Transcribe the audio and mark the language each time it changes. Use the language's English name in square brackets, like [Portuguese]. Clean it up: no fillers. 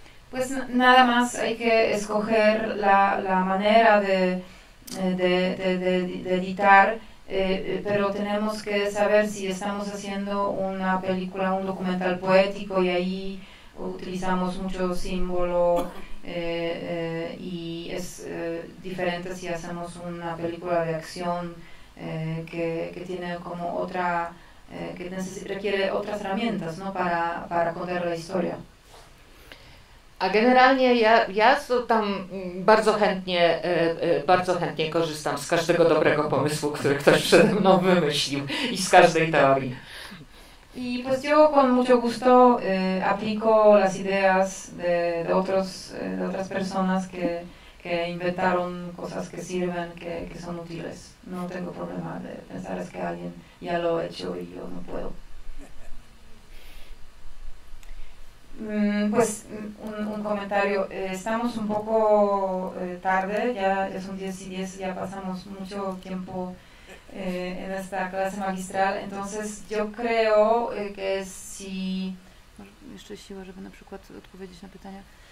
[Spanish] Pues nada más hay que escoger la manera de editar, pero tenemos que saber si estamos haciendo una película, un documental poético, y ahí utilizamos mucho símbolo y es diferente si hacemos una película de acción que tiene como otra requiere otras herramientas, no, para contar la historia. [Polish] A generalnie ja tam bardzo chętnie korzystam z każdego dobrego pomysłu, który ktoś przede mną wymyślił, i z każdej teorii. [Spanish] Y pues yo con mucho gusto aplico las ideas de otras personas que inventaron cosas que sirven, que son útiles. No tengo problema de pensar es que alguien ya lo ha hecho y yo no puedo. Pues un comentario, estamos un poco tarde, ya son 10 y 10, ya pasamos mucho tiempo en esta clase magistral, entonces yo creo que si [Polish] jeszcze siła, żeby na przykład odpowiedzieć na pytania.